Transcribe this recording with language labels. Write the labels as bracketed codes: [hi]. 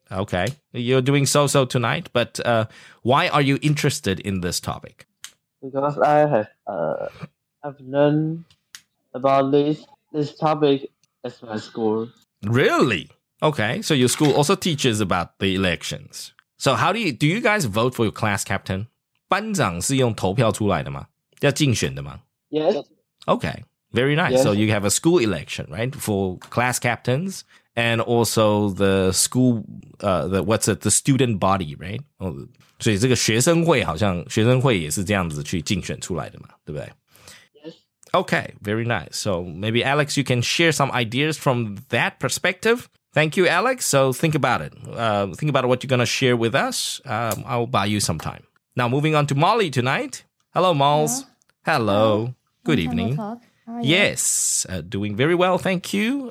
[en] Okay, you're doing so-so tonight, but why are you interested in this topic? Because I have learned about this topic at my school. Really? Okay, so your school also teaches about the elections. So how do you guys vote for your class captain? [zh] 班长是用投票出来的吗？要竞选的吗？ [en] Yes. Okay, very nice. Yes. So you have a school election, right, for class captains and also the school, the student body, right? [zh] Oh,所以这个学生会好像学生会也是这样子去竞选出来的嘛，对不对 [en] ？Yes. Okay, very nice. So maybe Alex, you can share some ideas from that perspective. Thank you, Alex. So think about it. Think about what you're going to share with us. I'll buy you some time. Now moving on to Molly tonight. Hello, Molls. Hello. Hello. Good evening. Yes, doing very well. Thank you.